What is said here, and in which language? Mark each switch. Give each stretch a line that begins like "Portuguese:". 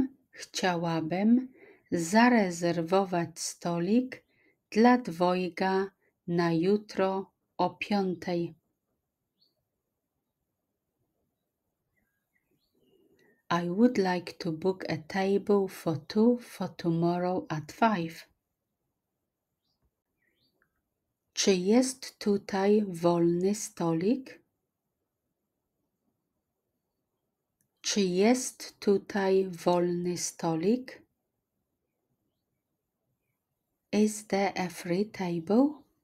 Polish: Chciałabym zarezerwować stolik dla dwojga na jutro o 5:00.
English: I would like to book a table for 2 for tomorrow at 5:00.
Polish: Czy jest tutaj wolny stolik? Czy jest tutaj wolny stolik?
English: Is there a free table?